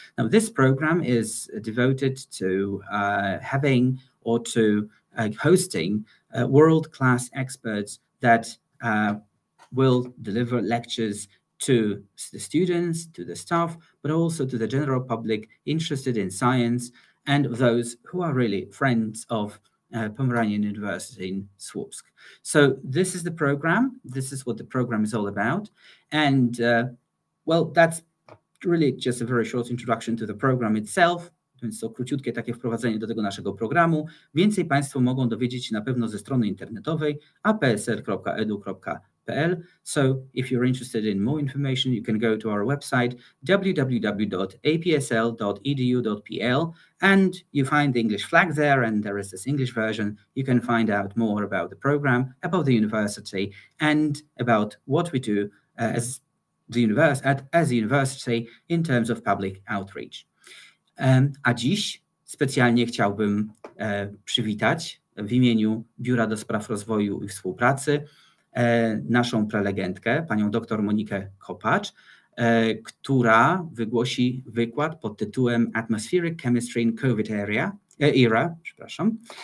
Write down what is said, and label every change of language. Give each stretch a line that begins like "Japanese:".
English: Now, this program is devoted to having or to hosting world-class experts that will deliver lectures to the students, to the staff, but also to the general public interested in science and those who are really friends of Pomeranian University in Słupsk. So this is the program. This is what the program is all about. And well, that's really just a very short introduction to the program itself.
Polish: Więc to króciutkie takie wprowadzenie do tego naszego programu. Więcej Państwo mogą dowiedzieć się na pewno ze strony internetowej apsr.edu.pl.
English: So if you're interested in more information, you can go to our website www.apsl.edu.pl and you find the English flag there, and there is this English version. You can find out more about the program, about the university and about what we do as a university in terms of public outreach.
Polish: A dziś specjalnie chciałbym przywitać w imieniu Biura do Spraw Rozwoju i Współpracy naszą prelegentkę, panią dr Monikę Kopacz, która wygłosi wykład pod tytułem
English: Atmospheric Chemistry in COVID Era.
Polish: Przepraszam.